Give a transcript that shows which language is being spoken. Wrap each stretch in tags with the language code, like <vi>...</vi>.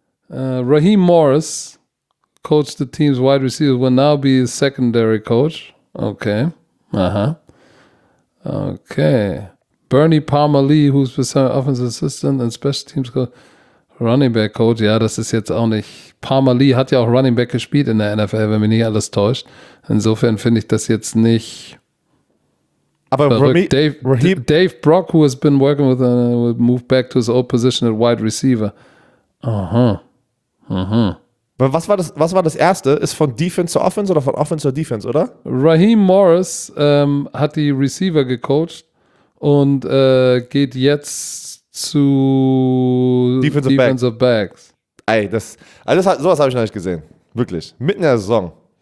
<en>Raheem Morris coached the team's wide receiver, will now be a secondary coach. Okay. Aha. Okay. Bernie Palmer Lee, who's the offensive assistant and special teams coach.</en> <de>Running Back Coach, ja, das ist jetzt auch nicht. Palmer Lee hat ja auch Running Back gespielt in der NFL, wenn mich nicht alles täuscht. Insofern finde ich das jetzt nicht. Aber</de> <en>Dave Brock, who has been working with, will move back to his old position at wide receiver. Aha. Aha.</en> <de>Aber was war das erste? Ist von Defense zur Offense oder von Offense zur Defense, oder? Raheem Morris hat die Receiver gecoacht und geht jetzt zu</de> <en>Defensive Backs.</en> <de>Ey, sowas habe ich noch nicht gesehen. Wirklich. Mitten in der Saison.</de>